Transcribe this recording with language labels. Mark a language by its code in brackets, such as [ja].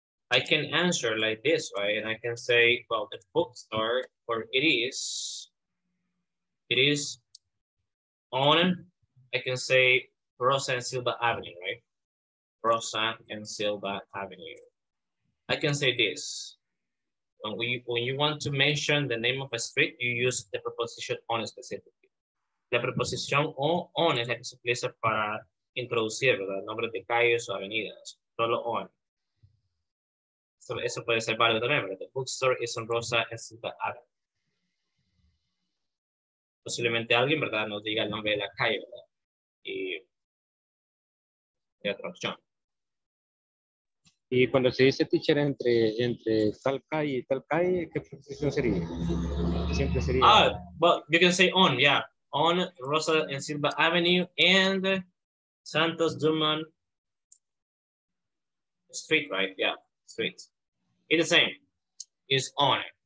[en] I can answer like this, right? And I can say, well, the bookstore, or it is on, I can say Rosa and Silva Avenue, right? Rosa and Silva Avenue. I can say this. When you want to mention the name of a street, you use the preposition on specifically. [es] La preposición on es la que se utiliza para introducir, ¿verdad? Nombres de calles o avenidas. Solo on. So, eso puede ser válido también, ¿verdad? [en] The bookstore is on Rosa and Silva Avenue. [es] Posiblemente alguien, ¿verdad? Nos diga el nombre de la calle, ¿verdad? Y otra opción. Y cuando se dice teacher entre tal calle, ¿qué preposición sería? Siempre sería. [en] Well, you can say on, yeah. On Rosa and Silva Avenue and Santos Dumont Street, right? Yeah, street. It's the same. It's on.